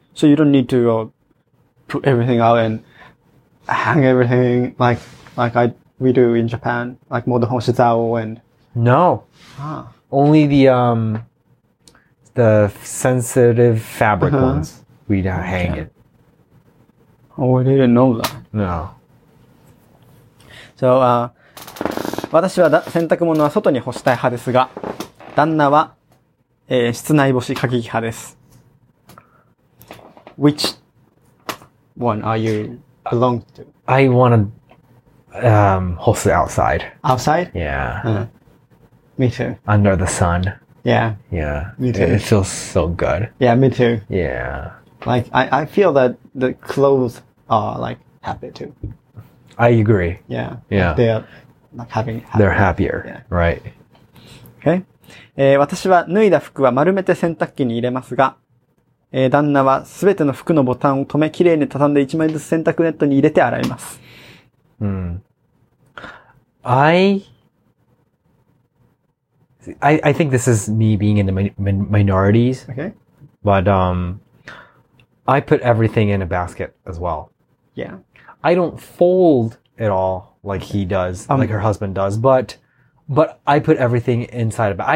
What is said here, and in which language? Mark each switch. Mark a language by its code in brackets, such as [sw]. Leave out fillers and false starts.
[en] So you don't need to put everything out and hang everything like we do in Japan, like modohoshizao and... No. Ah. Only the sensitive fabric ones, we don't hang it. Oh, I didn't know that. No. [ja] So, 私は洗濯物は外に干したい派ですが、旦那は室内干し過激派です。 [en] Which one are you belong to? I want to, host it outside. Outside? Yeah. Me too. Under the sun. Yeah. Yeah. Me too. It feels so good. Yeah, me too. Yeah. I feel that the clothes are happy too. I agree. Yeah. Yeah. They are like having happy. They're happier. Yeah. Right. Okay. [ja] 私は脱いだ服は丸めて洗濯機に入れますが、旦那はすべての服のボタンを止め、きれいに畳んで一枚ずつ洗濯ネットに入れて洗います。うん。 [en] I think this is me being in the minorities. Okay. But, I put everything in a basket as well. Yeah. I don't fold it all like he does, like her husband does, but I put everything inside of it.